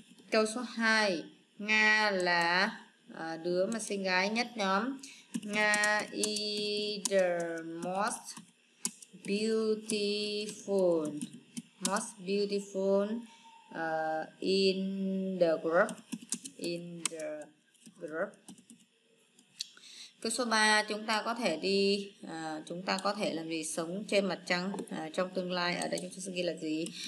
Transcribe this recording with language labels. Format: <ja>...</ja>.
<vi>Câu số 2, Nga là đứa mà xinh gái nhất nhóm.</vi> <en>Nga is the most beautiful in the group.</en> <vi>Câu số 3, chúng ta có thể đi chúng ta có thể làm gì sống trên mặt trăng trong tương lai? Ở đây chúng ta sẽ ghi là gì?</vi>